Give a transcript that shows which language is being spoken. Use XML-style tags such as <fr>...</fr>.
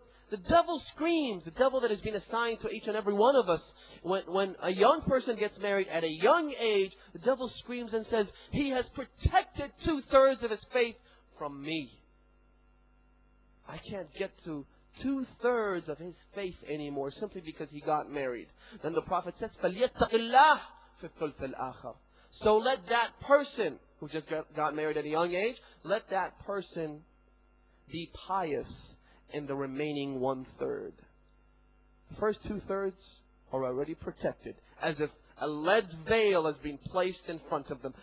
<en>The devil screams, the devil that has been assigned to each and every one of us, when a young person gets married at a young age, the devil screams and says, he has protected two-thirds of his faith from me. I can't get to two-thirds of his faith anymore simply because he got married. Then the Prophet says,</en> <ar>فَلْيَتَّقِ اللَّهِ فِي الثُلْثِ الْآخَرِ.</ar> <en>So let that person who just got married at a young age, let that person be pious in the remaining one-third. The first two-thirds are already protected, as if a lead veil has been placed in front of them.</en>